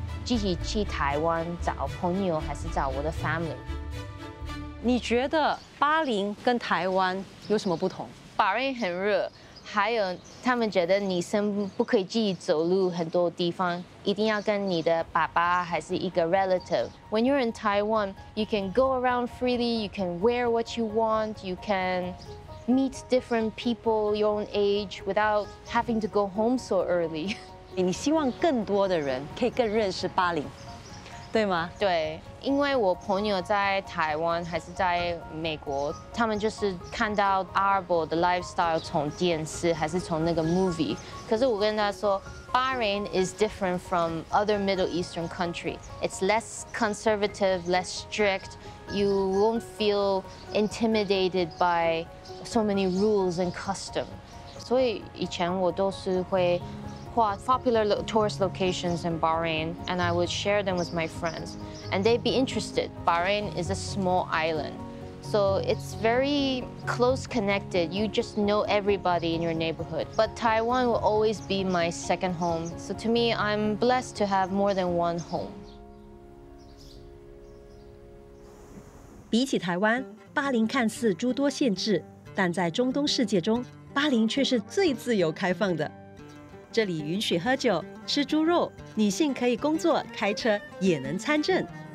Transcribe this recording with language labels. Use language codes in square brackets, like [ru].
[zh] 继续去台湾找朋友，还是找我的 family？你觉得巴林跟台湾有什么不同？巴林很热，还有他们觉得女生不可以自己走路，很多地方一定要跟你的爸爸还是一个 relative。 [en] When you're in Taiwan, you can go around freely, you can wear what you want, you can meet different people your own age without having to go home so early. [zh] 你希望更多的人可以更认识巴林，对吗？对，因为我朋友在台湾还是在美国，他们就是看到阿拉伯的 lifestyle 从电视还是从那个 movie， 可是我跟他说 ， [en] Bahrain is different from other Middle Eastern country. It's less conservative, less strict. You won't feel intimidated by so many rules and custom. [zh] 所以以前我都是会。 [en] Popular tourist locations in Bahrain, and I would share them with my friends, and they'd be interested. Bahrain is a small island, so it's very close connected. You just know everybody in your neighborhood. But Taiwan will always be my second home. So to me, I'm blessed to have more than one home. [zh] 比起台湾，巴林看似诸多限制，但在中东世界中，巴林却是最自由开放的。这里允许喝酒、吃猪肉，女性可以工作、开车，也能参政。